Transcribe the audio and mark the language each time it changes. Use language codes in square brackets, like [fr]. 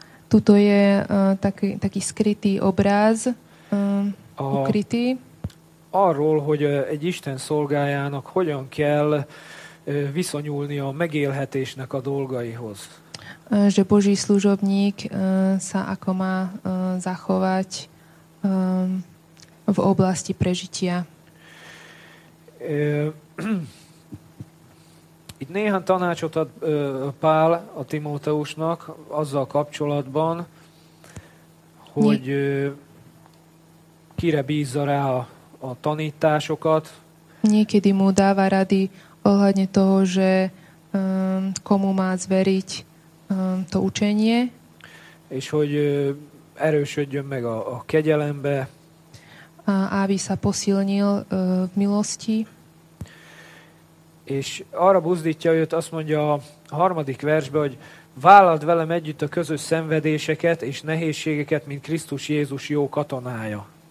[sk] Tuto je taký skrytý obraz, ukrytý. [hu] Arról, hogy egy Isten szolgájának hogyan kell viszonyulni a megélhetésnek a dolgaihoz. [sk] Že Boží služobník sa ako má zachovať v oblasti prežitia. [hu] Itt néhány tanácsot ad Pál a Timóteusnak azzal kapcsolatban, hogy kire bízza rá a tanításokat. [sk] Niekedy mu dáva rady ohľadne toho, že komu má zveriť to učenie. [hu] És hogy erősödjön meg a kegyelembe. [sk] Aby sa posilnil v milosti. [hu] És arra buzdítja őt, azt mondja a harmadik versben, hogy vállald velem együtt a közös szenvedéseket és nehézségeket, mint Krisztus Jézus jó katonája.